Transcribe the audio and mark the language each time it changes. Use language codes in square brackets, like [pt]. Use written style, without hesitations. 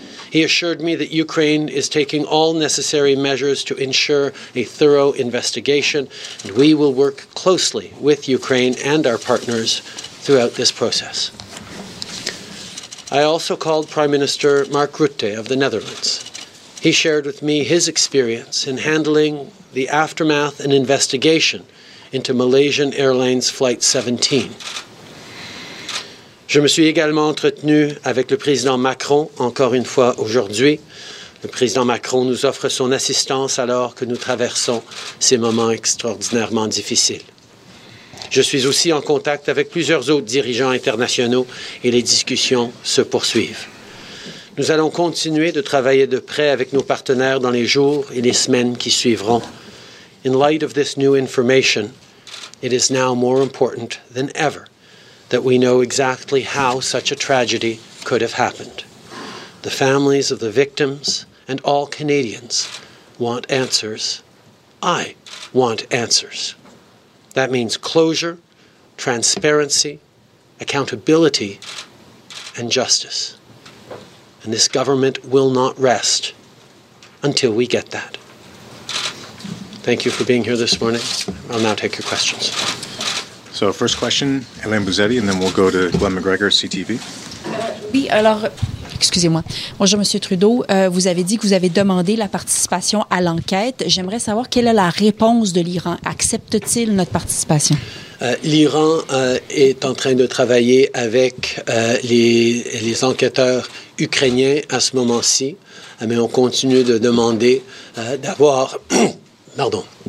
[en] He assured me that Ukraine is taking all necessary measures to ensure a thorough investigation, and we will work closely with Ukraine and our partners throughout this process. I also called Prime Minister Mark Rutte of the Netherlands. He shared with me his experience in handling the aftermath and investigation into Malaysian Airlines Flight 17. [fr] Je me suis également entretenu avec le président Macron encore une fois aujourd'hui. Le président Macron nous offre son assistance alors que nous traversons ces moments extraordinairement difficiles. Je suis aussi en contact avec plusieurs autres dirigeants internationaux et les discussions se poursuivent. Nous allons continuer de travailler de près avec nos partenaires dans les jours et les semaines qui suivront. [en] In light of this new information, it is now more important than ever that we know exactly how such a tragedy could have happened. The families of the victims and all Canadians want answers. I want answers. That means closure, transparency, accountability, and justice. And this government will not rest until we get that. Thank you for being here this morning. I'll now take your questions. So first question, Hélène Buzzetti, and then we'll go to Glenn McGregor, CTV. [fr] Oui, alors, excusez-moi. Bonjour, M. Trudeau. Vous avez dit que vous avez demandé la participation à l'enquête. J'aimerais savoir quelle est la réponse de l'Iran. Accepte-t-il notre participation? L'Iran est en train de travailler avec les enquêteurs ukrainiens à ce moment-ci, mais on continue de demander d'avoir... Pardon.